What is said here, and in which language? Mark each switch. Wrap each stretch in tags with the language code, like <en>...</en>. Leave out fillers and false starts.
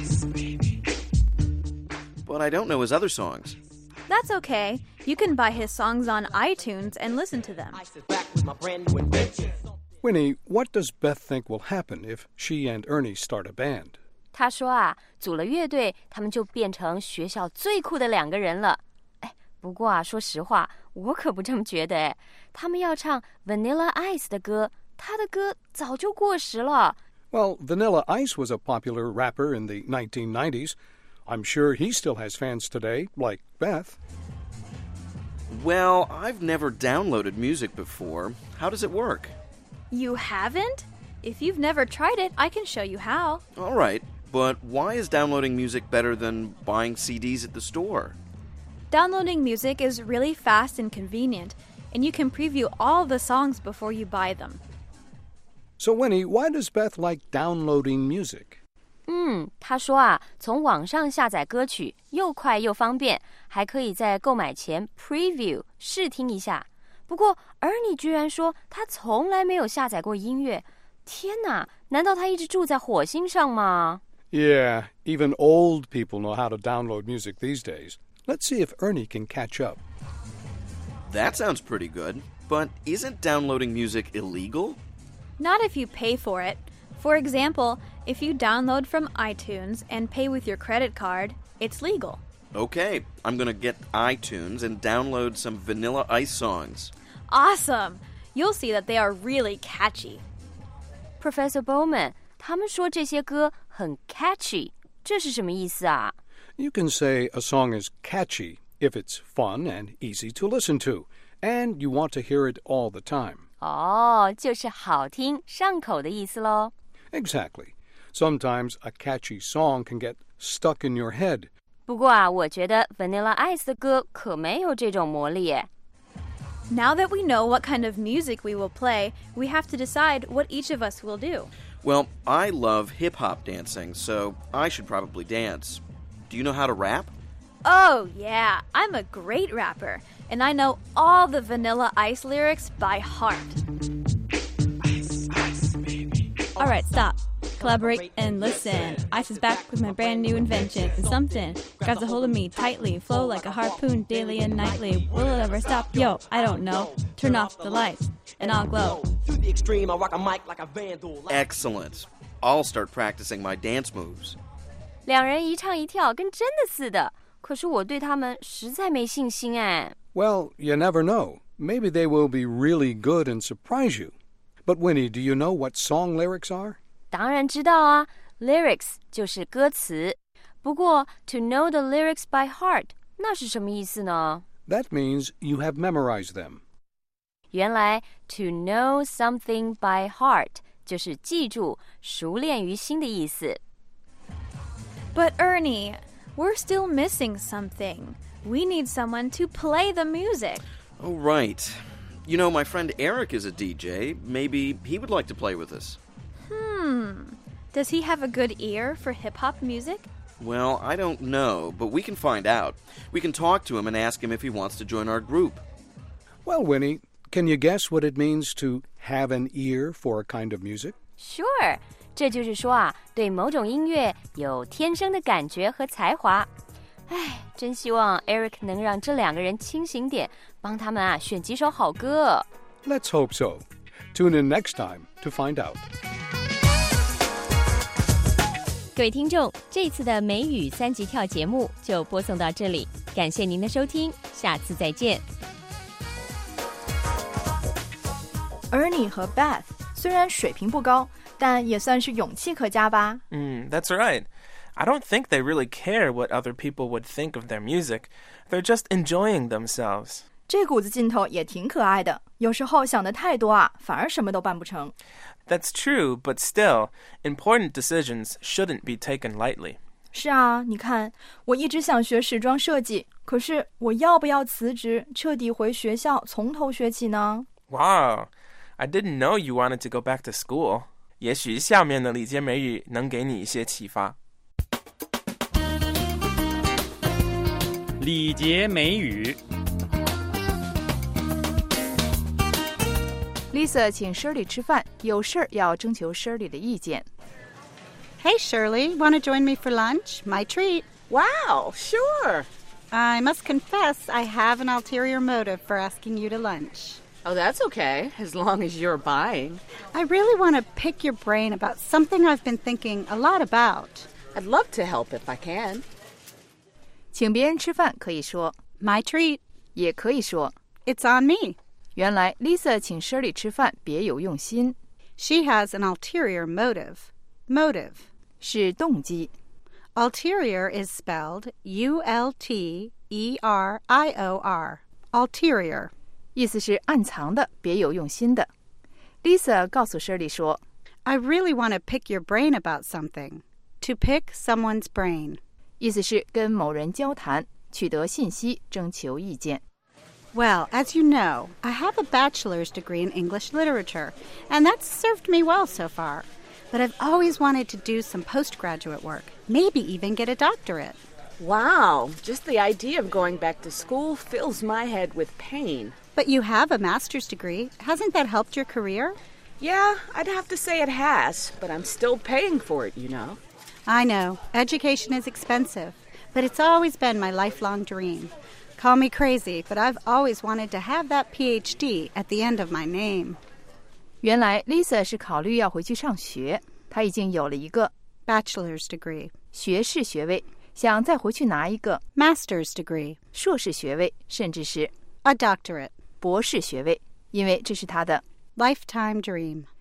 <en>But I don't know his other songs. That's okay. You can buy his songs on iTunes and listen to them. Winnie, what does Beth think will happen if she and Ernie start a band?</en> <zh>她说啊，组了乐队，他们就变成学校最酷的两个人了。哎，不过啊，说实话，我可不这么觉得。哎，他们要唱 Vanilla Ice 的歌，他的歌早就过时了。</zh> <en>Well, Vanilla Ice was a popular rapper in the 1990s. I'm sure he still has fans today, like Beth. Well, I've never downloaded music before. How does it work? You haven't? If you've never tried it, I can show you how. All right, but why is downloading music better than buying CDs at the store? Downloading music is really fast and convenient, and you can preview all the songs before you buy them. So Winnie, why does Beth like downloading music?</en> <zh>他说啊，从网上下载歌曲又快又方便，还可以在购买前 preview 试听一下。不过 Ernie 居然说他从来没有下载过音乐，天哪，难道他一直住在火星上吗？</zh> <en>Yeah, even old people know how to download music these days. Let's see if Ernie can catch up. That sounds pretty good, but isn't downloading music illegal? Not if you pay for it. For example,If you download from iTunes and pay with your credit card, it's legal. Okay, I'm gonna get iTunes and download some Vanilla Ice songs. Awesome! You'll see that they are really catchy.</en> <zh>Professor Bowman, 他们说这些歌很 catchy, 这是什么意思啊?</zh> <en>You can say a song is catchy if it's fun and easy to listen to, and you want to hear it all the time.</en> <zh>就是好听,上口的意思咯。</zh> <en>Exactly. Sometimes a catchy song can get stuck in your head.</en> <zh>不过啊，我觉得 Vanilla Ice 的歌可没有这种魔力耶。</zh> <en>Now that we know what kind of music we will play, we have to decide what each of us will do. Well, I love hip-hop dancing, so I should probably dance. Do you know how to rap? Oh, yeah, I'm a great rapper, and I know all the Vanilla Ice lyrics by heart. All right, stop. Collaborate and listen. Ice is back with my brand new invention. It's something. Grabs a hold of me tightly. Flow like a harpoon daily and nightly. Will it ever stop? Yo, I don't know. Turn off the lights and I'll glow. Excellent. I'll start practicing my dance moves.</en> <zh>两人一唱一跳跟真的似的。可是我对他们实在没信心哎。</zh> <en>Well, you never know. Maybe they will be really good and surprise you. But Winnie, do you know what song lyrics are?</en> <zh>当然知道啊 ,lyrics 就是歌词。不过 ,</zh> <en>to know the lyrics by heart,</en> <zh>那是什么意思呢</zh> <en>?That means you have memorized them.</en> <zh>原来 ,</zh> <en>to know something by heart,</en> <zh>就是记住熟练于心的意思。</zh> <en>But Ernie, we're still missing something. We need someone to play the music. Oh, right. You know, my friend Eric is a DJ. Maybe he would like to play with us. Does he have a good ear for hip-hop music? Well, I don't know, but we can find out. We can talk to him and ask him if he wants to join our group. Well, Winnie, can you guess what it means to have an ear for a kind of music? Sure.</en> <zh>这就是说啊，对某种音乐有天生的感觉和才华。唉，真希望 Eric 能让这两个人清醒点，帮他们啊选几首好歌。</zh> <en>Let's hope so. Tune in next time to find out.</en> <zh>各位听众，这次的美语三级跳节目就播送到这里，感谢您的收听，下次再见。 Ernie 和 Beth 虽然水平不高，但也算是勇气可嘉吧。</zh> <en>That's right. I don't think they really care what other people would think of their music. They're just enjoying themselves.</en> <zh>这股子劲头也挺可爱的，有时候想得太多啊，反而什么都办不成。</zh> <en>That's true, but still, important decisions shouldn't be taken lightly.</en> <zh>是啊，你看，我一直想学时装设计，可是我要不要辞职，彻底回学校，从头学起呢？</zh> <en>Wow, I didn't know you wanted to go back to school.</en> <zh>也许下面的理解美语能给你一些启发。理解美语。 Lisa 请 Shirley 吃饭，有事要征求 Shirley 的意见。</zh> <en>Hey Shirley, want to join me for lunch? My treat. Wow, sure. I must confess, I have an ulterior motive for asking you to lunch. Oh, that's okay, as long as you're buying. I really want to pick your brain about something I've been thinking a lot about. I'd love to help if I can.</en> <zh>请别人吃饭可以说</zh> <en>My treat.</en> <zh>也可以说</zh> <en>It's on me.</en> <zh>原来 Lisa 请 Shirley 吃饭别有用心。</zh> <en>She has an ulterior motive. Motive</en> <zh>是动机。</zh> <en>Ulterior is spelled U-L-T-E-R-I-O-R. Ulterior</en> <zh>意思是暗藏的，别有用心的。 Lisa 告诉 Shirley 说</zh> <en>I really want to pick your brain about something. To pick someone's brain</en> <zh>意思是跟某人交谈，取得信息，征求意见。</zh> <en>Well, as you know, I have a bachelor's degree in English literature, and that's served me well so far. But I've always wanted to do some postgraduate work, maybe even get a doctorate. Wow, just the idea of going back to school fills my head with pain. But you have a master's degree. Hasn't that helped your career? Yeah, I'd have to say it has, but I'm still paying for it, you know. I know, education is expensive, but it's always been my lifelong dream. Call me crazy, but I've always wanted to have that PhD at the end of my name.</en> <zh>原来 Lisa 是考虑要回去上学，她已经有了一个</zh> <en>bachelor's degree</en> <zh>学士学位，想再回去拿一个</zh> <en>master's degree</en> <zh>硕士学位，甚至是</zh> <en>a doctorate</en> <zh>博士学位，因为这是她的</zh> <en>lifetime dream</en>